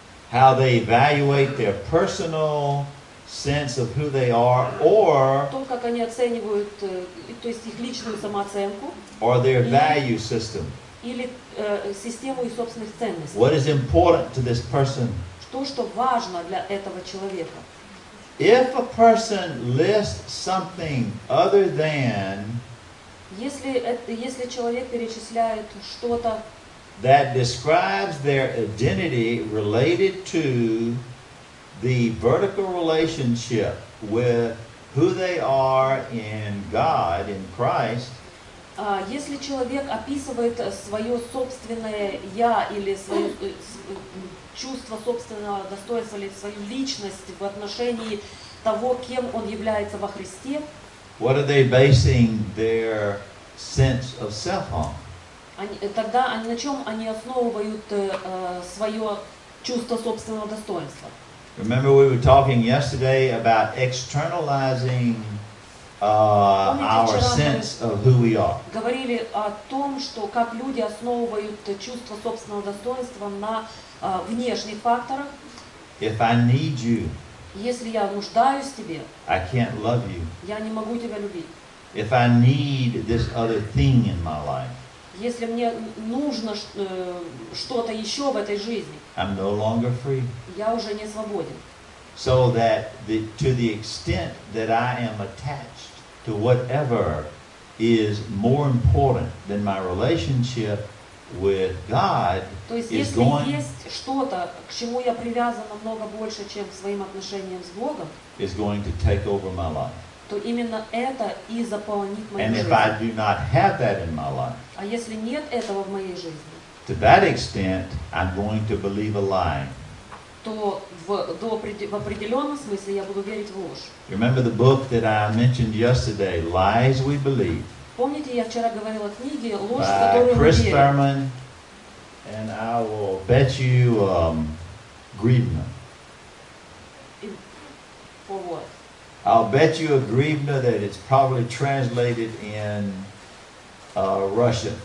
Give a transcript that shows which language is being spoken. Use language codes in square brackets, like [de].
[en] How they evaluate their personal sense of who they are, or [ru] то, как они оценивают, то есть их личную самооценку, [en] or their value system, [ru] или систему их собственных ценностей. [en] What is important to this person? [ru] Что важно для этого человека? [en] If a person lists something other than, [ru] если человек перечисляет что-то, [en] that describes their identity related to the vertical relationship with who they are in God, in Christ. [ru] Если человек описывает свое собственное «я» или свое чувство собственного достоинства или свою личность в отношении того, кем он является во Христе, [en] what are they basing their sense of self on? [ru] Тогда на чем они основывают свое чувство собственного достоинства? [en] Remember, we were talking yesterday about externalizing our sense of who we are. [ru] Говорили о том, что как люди основывают чувство собственного достоинства на внешних факторах. [en] If I need you, [ru] если я нуждаюсь в тебе, [en] I can't love you. [ru] Я не могу тебя любить. [en] If I need this other thing in my life, [ru] если мне нужно что-то еще в этой жизни, [en] I'm no longer free. [ru] Я уже не свободен. [en] So that to the extent that I am attached to whatever is more important than my relationship with God, [ru] то есть если есть что-то, к чему я привязан намного больше, чем к своим отношениям с Богом, [en] is going to take over my life. [ru] То именно это и заполнит мою [en] and [ru] жизнь. [en] If I do not have that in my life, [ru] а если нет этого в моей жизни, [en] to that extent, I'm going to believe a lie. [ru] То в определенном смысле я буду верить в ложь. [en] Remember the book that I mentioned yesterday, Lies We Believe. [ru] Помните, я вчера говорила о книге «Ложь, в которую мы верим». [en] By Chris Thurman, and I will bet you Grievna. For what? I'll bet you a Grievna that it's probably translated in Russian.